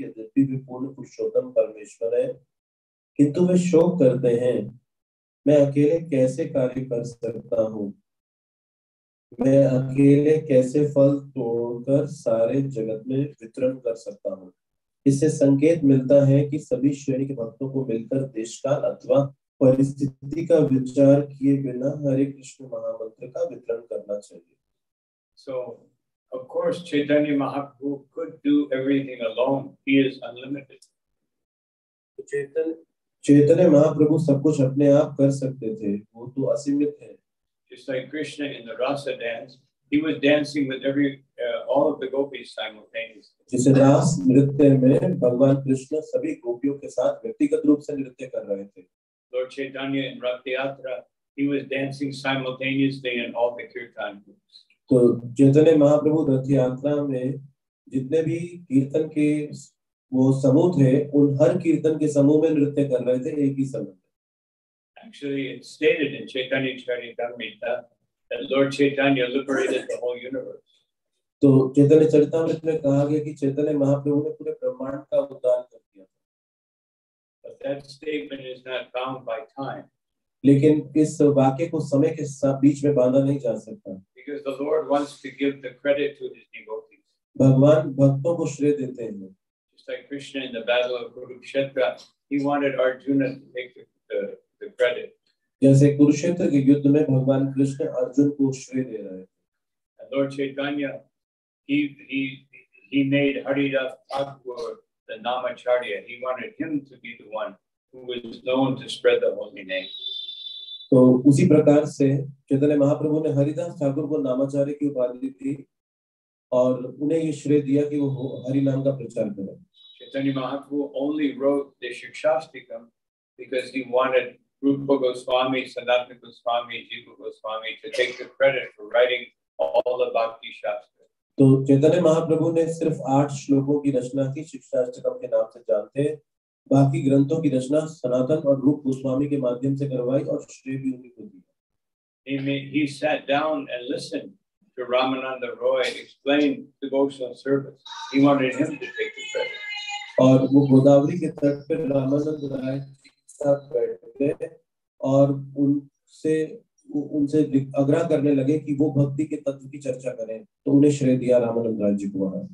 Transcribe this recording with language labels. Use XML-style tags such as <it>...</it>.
<hi>यद्यपि वे पूर्ण पुरुषोत्तम परमेश्वर है किंतु वे शोक करते हैं, मैं अकेले कैसे कार्य कर सकता हूँ, मैं अकेले कैसे फल तोड़कर सारे जगत में वितरण कर सकता हूँ. इससे संकेत मिलता है कि सभी श्रेणी के भक्तों को मिलकर देशकाल अथवा परिस्थिति का विचार किए बिना हरे कृष्ण महामंत्र का वितरण करना चाहिए.</hi> <en>So, of course, Chaitanya Mahaprabhu could do everything alone. He is unlimited.</en> <hi>Chaitanya Mahaprabhu सब कुछ अपने आप कर सकते थे. वो तो असीमित है.</hi> <en>Just like Krishna in the Rasa dance, he was dancing with all of the gopis simultaneously.</en> <hi>जैसे रास नृत्य में भगवान कृष्ण सभी गोपियों के साथ व्यक्तिगत रूप से नृत्य कर रहे थे.</hi> <en>Lord Chaitanya in Rath Yatra, he was dancing simultaneously in all the kirtan groups.</en> <hi>तो चैतन्य महाप्रभु रथ यात्रा में जितने भी कीर्तन के वो समूह थे उन हर कीर्तन के समूह में नृत्य कर रहे थे एक ही समय.</hi> <en>Actually, it's stated in Chaitanya Charitamrita that Lord Chaitanya liberated the whole universe.</en> <hi>तो चैतन्य चरितामृत में कहा गया कि चैतन्य महाप्रभु ने पूरे ब्रह्मांड का उद्धार कर दिया.</hi> <en>But that statement is not bound by time.</en> <hi>लेकिन इस वाक्य को समय के बीच में बांधा नहीं जा सकता.</hi> <en>Because the Lord wants to give the credit to his devotees.</en> <hi>भगवान भक्तों को श्रेय देते हैं.</hi> <en>Just like Krishna in the battle of Kurukshetra, he wanted Arjuna to take the credit.</en> <hi>जैसे कुरुक्षेत्र के युद्ध में भगवान कृष्ण अर्जुन को श्रेय दे रहे थे.</hi> <en>And Lord Chaitanya, he made Haridas Thakur the Namacharya. He wanted him to be the one who was known to spread the holy name.</en> <hi>तो उसी प्रकार से चैतन्य महाप्रभु ने हरिदास ठाकुर को नामाचार्य की उपाधि दी और उन्हें ये श्रेय दिया कि वो हरि नाम का प्रचार करें.</hi> <en>Chaitanya Mahaprabhu only wrote the Shikshastikam because he wanted Rupa Goswami, Sanatana Goswami, Jiva Goswami to take the credit for writing all the Bhakti Shastra.</en> <hi>तो चैतन्य महाप्रभु ने सिर्फ 8 श्लोकों की रचना की शिक्षाष्टकम के नाम से जानते, बाकी ग्रंथों की रचना सनातन और रूप गोस्वामी के माध्यम से करवाई और श्रेय भी उन्हीं को दिया.</hi> <en>He sat down and listened to Ramananda Roy explain the devotional service. He wanted him to take the credit.</en> <hi>और वो गोदावरी के तट पर रामानंद राय के साथ बैठे और उनसे आग्रह करने लगे कि वो भक्ति के तत्व की चर्चा करें. तो उन्हें श्रेय दिया रामानंद राय जी को.</hi>